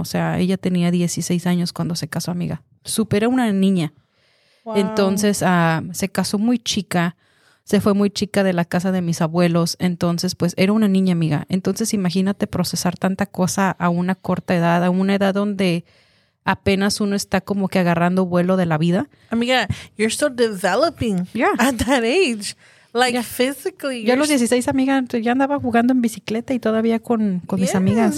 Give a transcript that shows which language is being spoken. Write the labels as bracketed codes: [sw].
[es] O sea, ella tenía 16 años cuando se casó, amiga. Súper una niña. Wow. Entonces, se casó muy chica. se fue muy chica de la casa de mis abuelos. Entonces, pues, era una niña, amiga. Entonces, imagínate procesar tanta cosa a una corta edad, a una edad donde apenas uno está como que agarrando vuelo de la vida. [en] Amiga, you're still developing at that age. Like, physically. [es] Yo a los 16, amiga, ya andaba jugando en bicicleta y todavía con mis amigas.